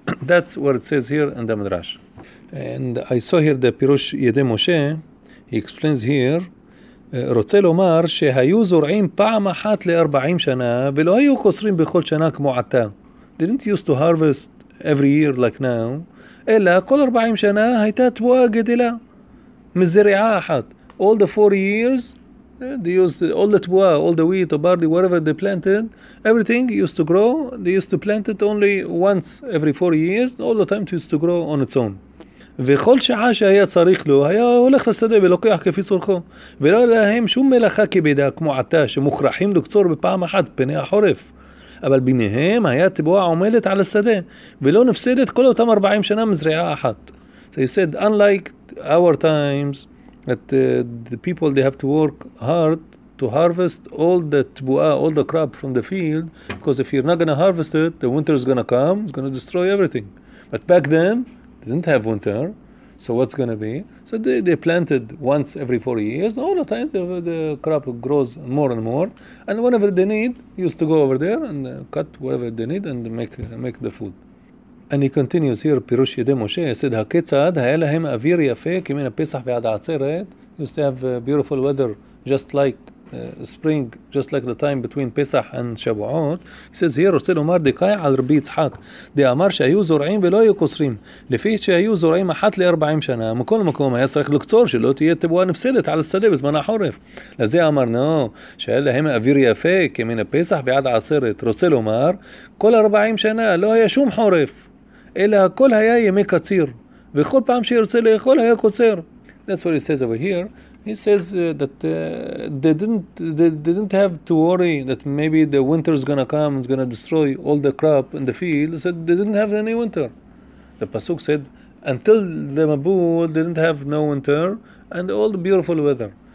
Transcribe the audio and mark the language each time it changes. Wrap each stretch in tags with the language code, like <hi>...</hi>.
<en>That's what it says here in the Midrash. And I saw here the Pirush Yedei Moshe.</en> <he>He explains here, רוצה לומר שהיו זורעים פעם אחת ל-40 שנה ולא היו קוסרים בכל שנה כמו עתה.</he> <en>Didn't used to harvest every year like now,</en> <he>אלא כל 40 שנה הייתה תבואה גדלה מזריעה אחת.</he> <en>All the 40 years, they used all the תבואה, all the wheat, the barley, whatever they planted, everything used to grow. They used to plant it only once every 40 years, all the time it used to grow on its own.</en> <he>וכל שעה שהיה צריך לו, היה הולך לשדה ולוקח כפי צורכו. ולא להם שום מלאכה כבדה כמו עתה, שמוכרחים לקצור בפעם אחת פני החורף. אבל ביניהם היה תבואה עומדת על השדה, ולא נפסדת כל אותם 40 שנה מזריעה אחת.</he> <en>So he said, unlike our times, that the people they have to work hard to harvest all the תבואה, all the crop from the field, because if you're not going to harvest it, the winter is going to come, it's going to destroy everything. But back then, didn't have winter, so what's going to be? So they planted once every 40 years. All the time the crop grows more and more, and whenever they need, used to go over there and cut whatever they need and make the food. And he continues here, Pirush Yedei Moshe, he said,</en> <he>הקצד היה להם אוויר יפה כמין הפסח ועד העצרת.</he> <en>Used to have beautiful weather, just like spring, just like the time between Pesach and Shavuot.</en> <he>He says here, רוצה לומר דקאי על רבי יצחק, דאמר שהיו זורעים ולא היו קוסרים, לפי שהיו זורעים אחת ל-40 שנה, מכל מקום היה צריך לקצור שלא תהיה תבואה נפסדת על השדה בזמן החורף. לזה אמרנו, שהיה להם אוויר יפה כמין הפסח ועד עשרת. רוצה לומר, כל 40 שנה לא היה שום חורף, אלא הכל היה ימי קציר, וכל פעם שירצה לאכול היה קוצר.</he> <en>That's what he says over here. He says that they didn't have to worry that maybe the winter is going to come and it's going to destroy all the crop in the field. He said they didn't have any winter. The Pasuk said, until the Mabul, they didn't have no winter and all the beautiful weather.</en>